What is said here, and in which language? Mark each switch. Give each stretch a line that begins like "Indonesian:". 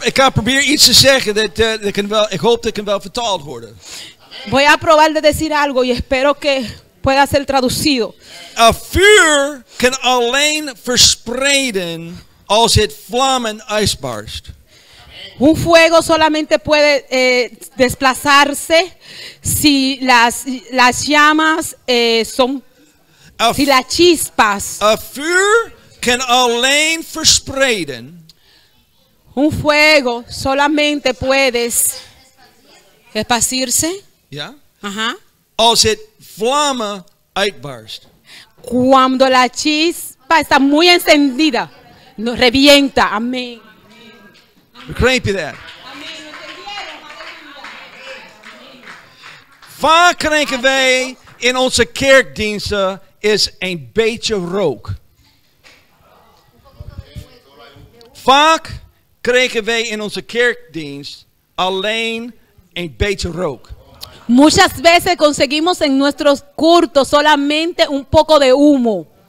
Dutch: Ik ga proberen iets te zeggen dat kan wel, ik hoop dat kan wel vertaald worden.
Spanish: Voy a probar de decir algo y espero que pueda ser traducido.
Dutch: A vuur kan alleen verspreiden als het vlammen uitbarst.
Spanish: Un fuego solamente puede desplazarse si las llamas son si las chispas.
Dutch: A vuur kan alleen verspreiden.
Spanish: Un fuego solamente puede esparcirse.
Dutch: Ja. Aha. Als het vlammen uitbarst.
Spanish: Cuando la chispa está muy encendida, no revienta. Amén.
Dutch: Begrijp je dat? Vaak krijgen wij in onze kerkdiensten is een beetje rook. Vaak krijgen wij in onze kerkdienst alleen een beetje rook.
Spanish: Muchas veces conseguimos en nuestros cultos solamente un poco de humo.